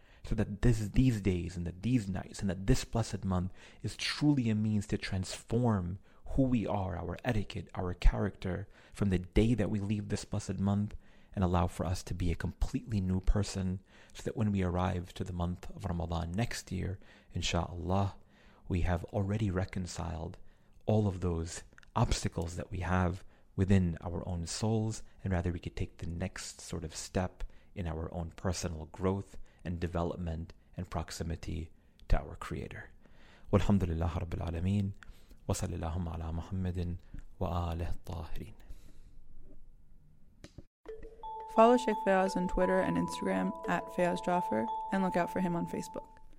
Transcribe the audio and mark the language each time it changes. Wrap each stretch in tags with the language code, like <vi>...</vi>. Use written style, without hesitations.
<en>so that these days and that these nights and that this blessed month is truly a means to transform who we are, our etiquette, our character, from the day that we leave this blessed month, and allow for us to be a completely new person, so that when we arrive to the month of Ramadan next year, inshallah, we have already reconciled all of those obstacles that we have within our own souls, and rather we could take the next sort of step in our own personal growth and development and proximity to our Creator.</en> <ar>والحمد لله رب العالمين وصلى اللهم على محمد وآله الطاهرين.</ar> <en>Follow Sheikh Fayaz on Twitter and Instagram @FayazJaffer and look out for him on Facebook.</en>